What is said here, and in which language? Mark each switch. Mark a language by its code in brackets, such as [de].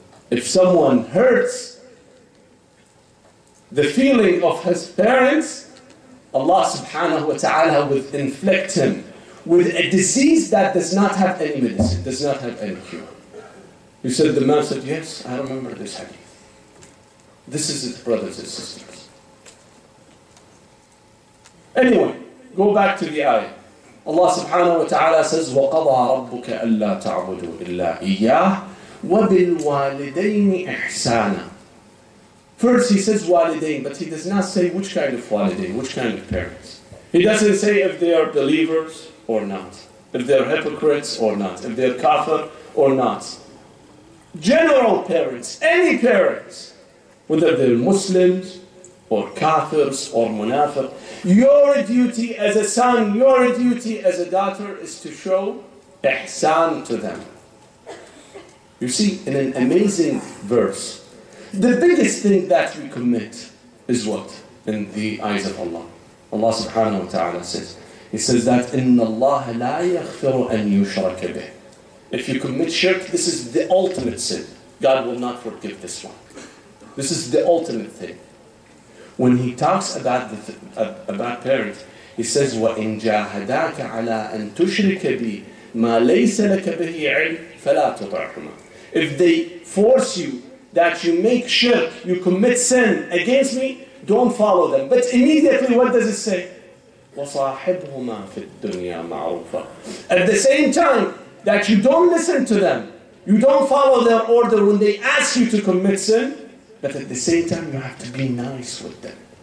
[en] If someone hurts the feeling of his parents, Allah subhanahu wa ta'ala would inflict him with a disease that does not have any medicine, does not have any cure. He said, the man said, yes, I remember this hadith. This is it, brothers and sisters. Anyway, go back to the ayah. Allah subhanahu wa ta'ala says, [ar] وَقَضَى رَبُّكَ أَلَّا تَعْبُدُوا إِلَّا إِيَّاهِ وَبِالْوَالِدَيْنِ إِحْسَانًا. [en] First he says walidain, but he does not say which kind of walidain, which kind of parents. He doesn't say if they are believers or not, if they are hypocrites or not, if they are kafir or not. General parents, any parents, whether they're Muslims or kafirs or munafir, your duty as a son, your duty as a daughter is to show ihsan to them. You see, in an amazing verse, the biggest thing that we commit is what? In the eyes of Allah. Allah subhanahu wa ta'ala says, He says that, [ar] إِنَّ اللَّهَ لَا يَغْفِرُ أَنْ يُشْرَكَ بِهِ. [en] If you commit shirk, this is the ultimate sin. God will not forgive this one. This is the ultimate thing. When he talks about parents, he says, [ar] وَإِنْ جَاهَدَاكَ عَلَىٰ أَنْ تُشْرِكَ بِي مَا لَيْسَ لَكَ بِهِ عِلْمٍ فَلَا تُطَعْهُمَا. [en] If they force you that you make shirk, you commit sin against me, don't follow them. But immediately, what does it say? [ar] وَصَاحِبْهُمَا فِي الدُّنْيَا مَعْرُوفًا. [en] At the same time, that you don't listen to them, you don't follow their order when they ask you to commit sin, but at the same time, you have to be nice with them.